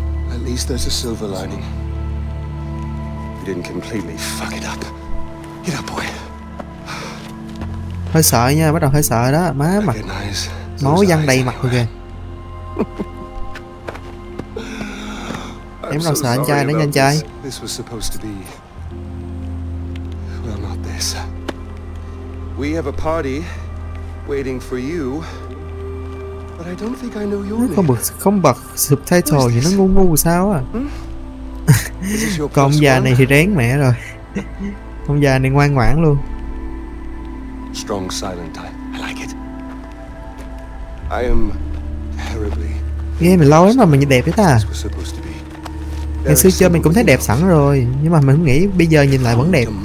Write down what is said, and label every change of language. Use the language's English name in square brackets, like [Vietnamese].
[English] At least there's a silver lining. We didn't completely fuck it up. Get up, boy. [Vietnamese] Hơi sợ nha, bắt đầu hơi sợ đó. Má mặt máu văng đầy mặt rồi kìa. Em đâu sợ anh trai nữa nha anh trai. [English] This was supposed to be... Well, not this. We have a party waiting for you. But I don't think I know your name. [Vietnamese] Không bật subtitle thì nó ngu sao à? Còn ông già này thì rén mẹ rồi. Ông già này ngoan ngoãn luôn. [English] Strong silent type. I like it. I am terribly. [Vietnamese] Nghe mày lâu lắm mà mày đẹp thế ta. Ngày xưa chơi mình cũng thấy đẹp sẵn rồi, nhưng mà mình không nghĩ bây giờ nhìn lại vẫn đẹp.